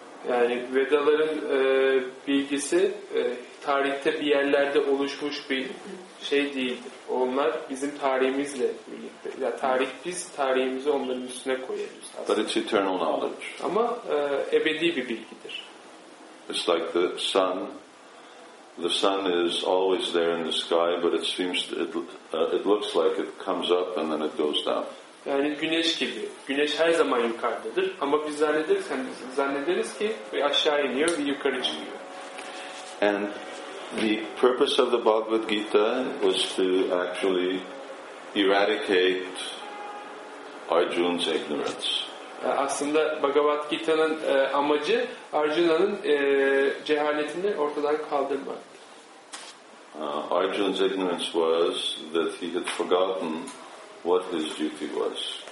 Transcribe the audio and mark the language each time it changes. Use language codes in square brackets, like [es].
[tr] Yani Vedaların bilgisi tarihte bir yerlerde oluşmuş bir şey değildir. Onlar bizim tarihimizle birlikte. Ya tarih biz tarihimizi onların üstüne koyarız. [en] But it's eternal knowledge. [tr] Ama ebedi bir bilgidir. [en] It's like the sun. The sun is always there in the sky, but it seems to, it looks like it comes up and then it goes down. [tr] Yani güneş gibi. Güneş her zaman yukarıdadır. Ama biz zannederiz ki aşağı iniyor ve yukarı çıkıyor. [en] And the purpose of the Bhagavad Gita was to actually eradicate Arjuna's ignorance. [tr] Aslında Bhagavad Gita'nın amacı Arjuna'nın cehaletini ortadan kaldırmak. [en] Arjuna's ignorance was that he had forgotten what his duty was.